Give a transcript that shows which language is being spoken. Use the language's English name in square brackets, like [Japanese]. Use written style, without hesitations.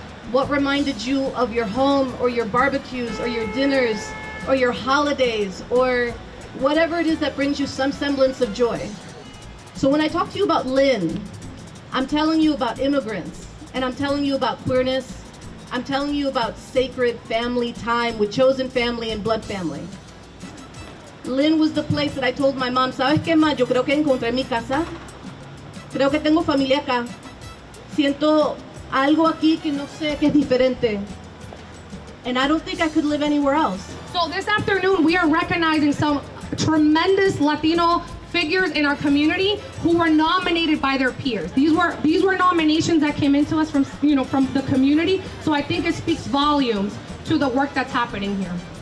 [English] What reminded you of your home or your barbecues or your dinners or your holidays or whatever it is that brings you some semblance of joy? So when I talk to you about Lynn, I'm telling you about immigrants, and I'm telling you about queerness. I'm telling you about sacred family time with chosen family and blood family. Lynn was the place that I told my mom, [Spanish] ¿sabes qué más? Yo creo que encontré mi casa. Creo que tengo familia acá. Siento algo aquí que no sé que es diferente. [English] And I don't think I could live anywhere else. So this afternoon, we are recognizing some tremendous Latino figures in our community who were nominated by their peers. These were nominations that came into us from the community. So I think it speaks volumes to the work that's happening here.